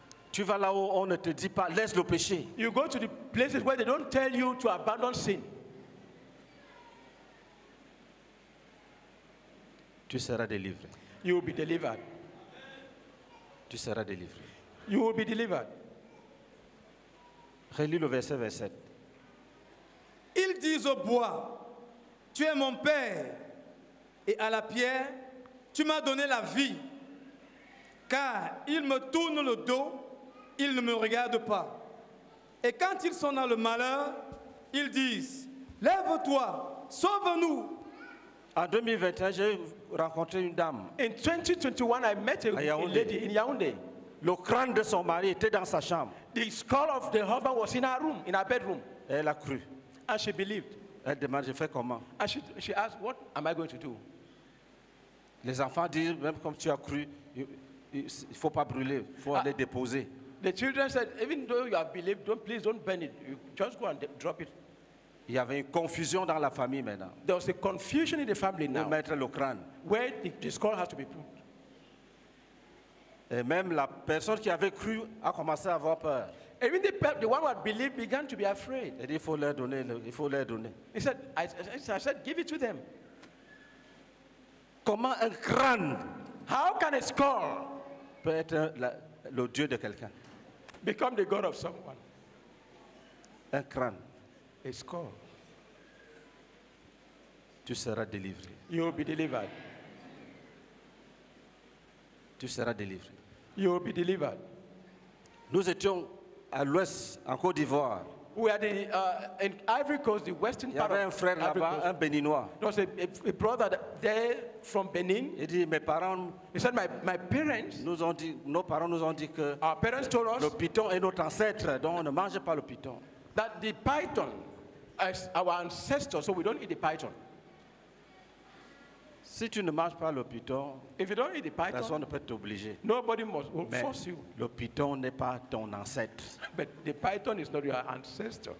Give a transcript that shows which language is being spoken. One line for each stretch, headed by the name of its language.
French: Tu vas là où on ne te dit pas laisse le péché.
English: You go to the places where they don't tell you to abandon sin.
French: Tu seras délivré.
English: You will be delivered.
French: Tu seras délivré.
English: You will be delivered.
French: Relis le verset 27. Ils disent au bois, tu es mon père, et à la pierre, tu m'as donné la vie. Car ils me tournent le dos, ils ne me regardent pas. Et quand ils sont dans le malheur, ils disent, lève-toi, sauve-nous. En 2021, j'ai rencontré une dame.
English: In 2021, I met a lady in Yaoundé.
French: Le crâne de son mari était dans sa chambre.
English: The skull of the husband was in her room, in her bedroom.
French: Elle a cru.
English: And she believed.
French: Elle demande, je fais comment?
English: And she asked, what am I going to do?
French: Les enfants disent, même comme tu as cru, il faut pas brûler, faut aller déposer.
English: The children said, even though you have believed, please don't burn it. You just go and drop it.
French: Il y avait une confusion dans la famille maintenant.
English: There was a confusion in the family now.
French: Où mettre le crâne?
English: Where the skull has to be put?
French: Et même la personne qui avait cru a commencé à avoir peur.
English: Even the one who had believed began to be afraid.
French: Et il faut leur donner, il faut leur donner.
English: He said, I said, give it to them.
French: Comment un crâne?
English: How can a skull
French: peut être le dieu de quelqu'un?
English: Become the god of someone.
French: Un crâne.
English: A skull.
French: Tu seras délivré.
English: You will be delivered.
French: Tu seras délivré.
English: You will be delivered.
French: Nous étions à l'ouest, en Côte d'Ivoire.
English: We are in Ivory Coast, the western part of Ivory Coast.
French: Y'avait un frère là-bas, un
English: Béninois. A brother there from Benin.
French: Il dit, mes parents.
English: He said, my parents.
French: Nous ont dit, nos parents nous ont dit que.
English: Our parents told us.
French: Le python est notre ancêtre, donc on ne mange pas le python.
English: That the python is our ancestor, so we don't eat the python.
French: Si tu ne manges pas le python,
English: if you don't eat the python,
French: personne ne peut t'obliger.
English: Nobody will force you.
French: Le python n'est pas ton ancêtre.
English: But the python is not your ancestor.